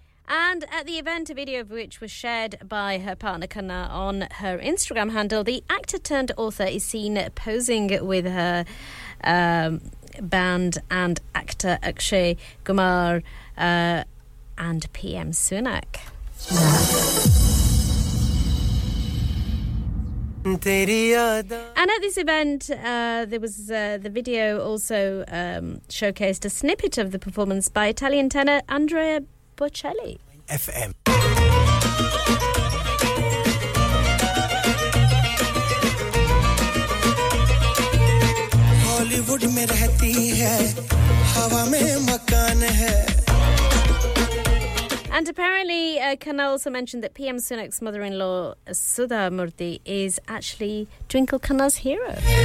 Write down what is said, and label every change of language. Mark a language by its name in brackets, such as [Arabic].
[English] And at the event, a video of which was shared by her partner Khanna on her Instagram handle, the actor turned author is seen posing with her band and actor Akshay Kumar and PM Sunak. And at this event, there was the video also showcased a snippet of the performance by Italian tenor Andrea Bocelli. FM. [Hindi] Hollywood में रहती है हवा में मकान है. [English] And apparently, Khanna also mentioned that PM Sunak's mother-in-law, Sudha Murthy, is actually Twinkle Khanna's hero.